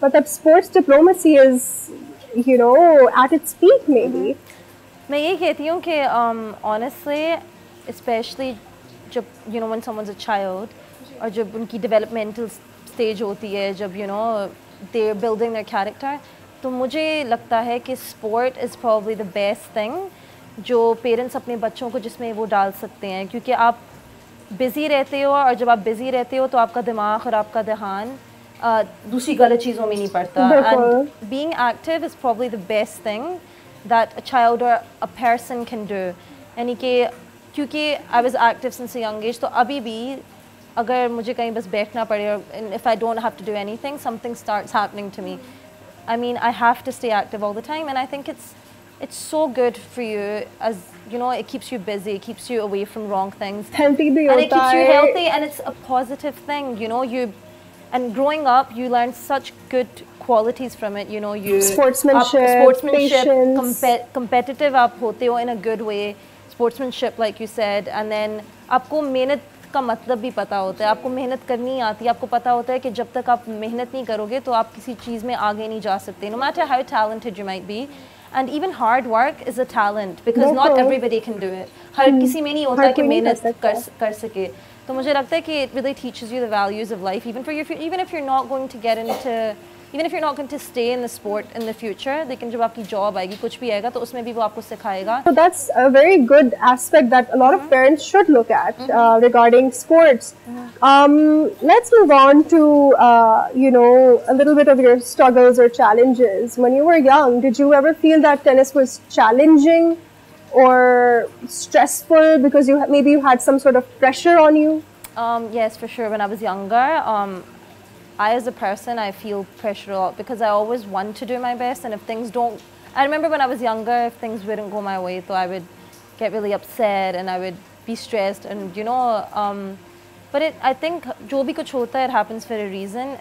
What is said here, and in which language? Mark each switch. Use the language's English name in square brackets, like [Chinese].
[English] But that sports diplomacy is, you know, at its peak, maybe. [Hindi] Main ye kehti hu ki, [English] honestly, especially jab, you know, when someone's a child or [Hindi] jab unki [English] developmental stage [Hindi] hoti hai, [English] jab, you know, they're building their character. [Hindi] तो मुझे लगता है कि [English] sport is probably the best thing [Hindi] जो parents अपने बच्चों को जिसमें वो डाल सकते हैं, क्योंकि आप बिज़ी रहते हो और जब आप बिज़ी रहते हो तो आपका दिमाग और आपका ध्यान दूसरी गलत चीज़ों में नहीं पड़ता. [English] And being active is probably the best thing that a child और a person can do. [Hindi] यानी कि क्योंकि [English] I was active since young age, [Hindi] तो अभी भी अगर मुझे कहीं बस बैठना पड़े और [English] If I don't have to do anything, something starts happening to me. I mean, I have to stay active all the time, and I think it's so good for you, as you know, it keeps you busy, it keeps you away from wrong things, healthy, and it keeps you healthy, and it's a positive thing, you know. You and growing up, you learn such good qualities from it, you know. You sportsmanship, patience, [Hindi] competitive aap hote ho [English] in a good way, sportsmanship, like you said, and then [Hindi] aapko mehnat का मतलब भी पता होता है. आपको मेहनत करनी आती है, आपको पता होता है कि जब तक आप मेहनत नहीं करोगे तो आप किसी चीज़ में आगे नहीं जा सकते. [English] No matter how talented you might be, and even hard work is a talent because not everybody can do it. [Hindi] हर किसी में नहीं होता कि मेहनत कर सके. तो मुझे लगता है कि [English] it really teaches you the values of life, even for your, even if you are not going to get into, even if you are not going to stay in the sport in the future, [Hindi] लेकिन जब आपकी job आएगी, कुछ भी आएगा, तो उसमें भी वो आपको सिखाएगा. [English] So that's a very good aspect that a lot of parents should look at regarding sports. Let's move on to you know a little bit of your struggles और challenges. When you were young, did you ever feel that tennis was challenging or stressful because you maybe you had some sort of pressure on you? Yes, for sure. When I was younger, I as a person, I feel pressure a lot because I always want to do my best, and if things don't, I remember when I was younger, if things wouldn't go my way, so I would get really upset and I would be stressed, and you know, but it, I think [Hindi] jo bhi kuch hota hai, [English] it happens for a reason.